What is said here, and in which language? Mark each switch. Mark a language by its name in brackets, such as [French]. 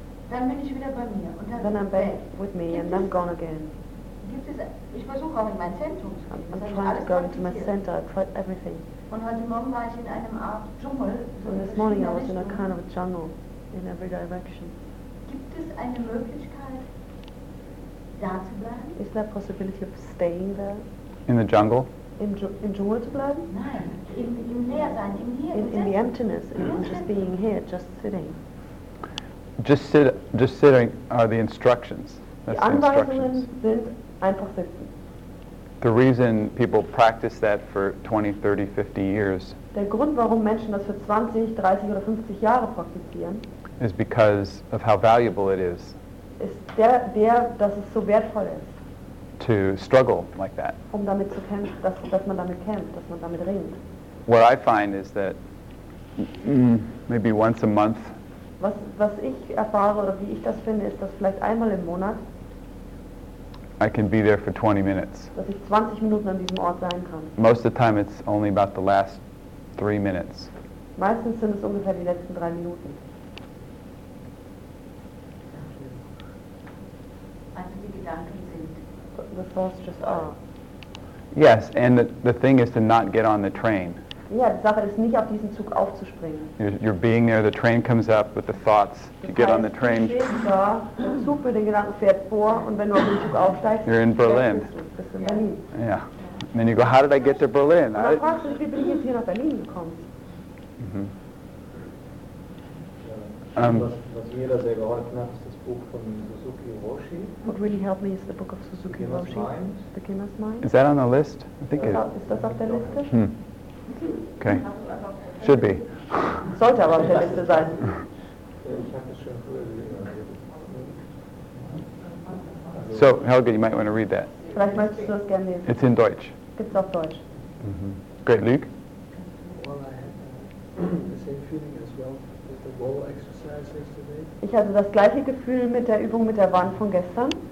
[German] Dann bin ich wieder bei mir. Und [English] then I'm back with me and I'm gone again. [German] Gibt es, ich versuche auch in mein Zentrum zu gehen. [English] I'm trying to go into my center. I've tried everything. [German] Und heute Morgen war ich in einem Art Dschungel. [English] So this morning I was in a kind of a jungle in every direction. [German] Gibt es eine Möglichkeit, da zu bleiben? [English] Is there a possibility of staying there? In the jungle? [German] In Dschungel zu bleiben? Nein, im Leersein, im Hier. [English] In the emptiness, in just being here, just sitting. Just sitting are the instructions. [German] That's die Anweisungen sind einfach sitzen. [English] The reason people practice that for 20, 30, 50 years. [German] Der Grund, warum Menschen das für 20, 30 oder 50 Jahre praktizieren, [English] is because of how valuable it is. [German] Ist der, dass es so wertvoll ist. [English] To struggle like that. [German] Um damit zu kämpfen, dass man damit kämpft, dass man damit ringt. [English] What I find is that maybe once a month. [German] Was ich erfahre oder wie ich das finde, ist, dass vielleicht einmal im Monat. [English] I can be there for 20 minutes. [German] Dass ich 20 Minuten an diesem Ort sein kann. [English] Most of the time it's only about the last 3 minutes. [German] Meistens sind es ungefähr die letzten 3 Minuten. Also die Gedanken sind. [English] The thoughts just are. Yes, and the thing is to not get on the train. [German] Ja, die Sache ist nicht auf diesen Zug aufzuspringen. [English] You're being there, the train comes up with the thoughts. You get on the train. [German] Der Zug mit den Gedanken fährt vor und wenn du auf den Zug aufsteigst, [English] you're in Berlin. [German] Bist du in Berlin. [English] Yeah. And then you go, how did I get to Berlin? [German] Und dann fragst du dich, wie bin ich jetzt hier nach Berlin gekommen? Was mir da sehr geholfen hat, ist das Buch von Suzuki Roshi. [English] What really helped me is the book of Suzuki Roshi. The Beginner's Mind. Is that on the list? I think it [German] is. Ist das auf der Liste? [English] Okay. Should be. [German] Sollte aber auf der Liste sein. [English] So, Helge, you might want to read that. [German] Vielleicht möchtest du das gerne lesen. [English] It's in Deutsch. [German] Gibt's auf Deutsch. [English] Mm-hmm. Great, Luke? Well, I had the same feeling as well with the wall exercise yesterday. [German] Ich hatte das gleiche Gefühl mit der Übung mit der Wand von gestern.